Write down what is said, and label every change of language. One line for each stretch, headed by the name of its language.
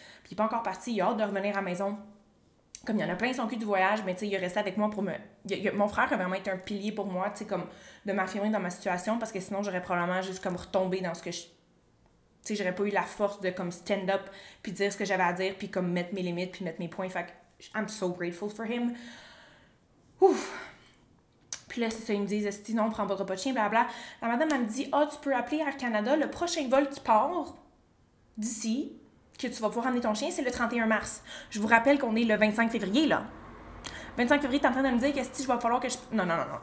French: Puis, il est pas encore parti, il a hâte de revenir à la maison. Comme il y en a plein son cul du voyage, mais tu sais, il est resté avec moi pour me... Mon frère a vraiment été un pilier pour moi, tu sais, comme, de m'affirmer dans ma situation, parce que sinon, j'aurais probablement juste, comme, retombé dans ce que je... Tu sais, j'aurais pas eu la force de, comme,
English: stand up,
French: puis dire ce que j'avais à dire, puis, comme, mettre mes limites, puis mettre mes points. Fait que,
English: I'm so grateful for him. Ouf.
French: Puis là, c'est ça, ils me disent, sinon on prend pas de repas de chien, blablabla. La madame, elle me dit, tu peux appeler Air Canada, le prochain vol qui part d'ici, que tu vas pouvoir emmener ton chien, c'est le 31 mars. Je vous rappelle qu'on est le 25 février, là. 25 février, t'es en train de me dire que si je vais falloir que je... Non, non, non, non.